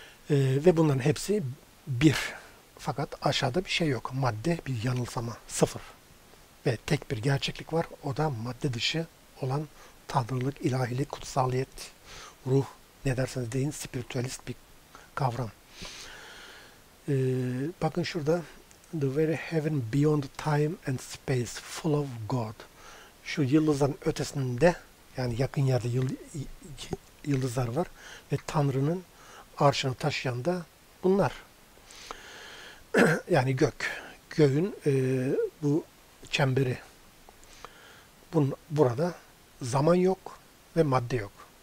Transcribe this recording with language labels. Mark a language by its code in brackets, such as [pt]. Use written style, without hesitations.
[tr] Ve bunların hepsi bir. Fakat aşağıda bir şey yok. Madde bir yanılsama, sıfır. Ve tek bir gerçeklik var. O da madde dışı olan tanrılık, ilahilik, kutsaliyet, ruh, ne derseniz deyin, spiritüalist bir kavram. Bakın şurada. [en] The very heaven beyond time and space, full of God. [tr] Şu yıldızların ötesinde, yani yakın yerde yıldızlar var. Ve Tanrı'nın arşını taşıyan da bunlar. Yani gök. Göğün bu çemberi. Burada zaman yok ve madde yok.